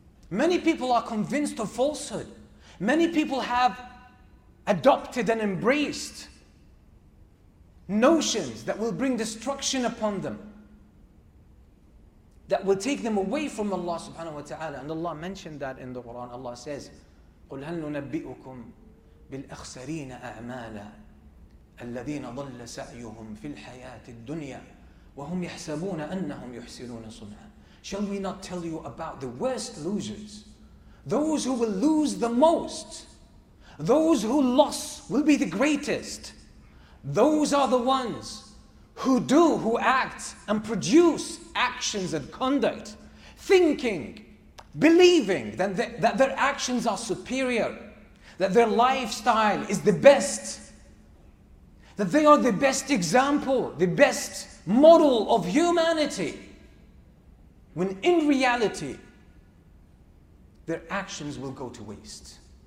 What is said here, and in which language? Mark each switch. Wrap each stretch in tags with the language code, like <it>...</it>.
<en>Many people are convinced of falsehood. Many people have adopted and embraced notions that will bring destruction upon them. that will take them away from Allah subhanahu wa ta'ala. And Allah mentioned that in the Quran. Allah says,</en> <ar>قُلْ هَلْ نُنَبِّئُكُمْ بِالْأَخْسَرِينَ أَعْمَالًا الَّذِينَ ضَلَّ سَعْيُهُمْ فِي الْحَيَاةِ الدُّنْيَا وَهُمْ يَحْسَبُونَ أَنَّهُمْ يُحْسِنُونَ صُنْعًا.</ar> <en>Shall we not tell you about the worst losers? Those who will lose the most. Those who loss will be the greatest. Those are the ones who do, who act and produce actions and conduct, thinking, believing that their actions are superior, that their lifestyle is the best, that they are the best example, the best model of humanity, when in reality, their actions will go to waste.</en>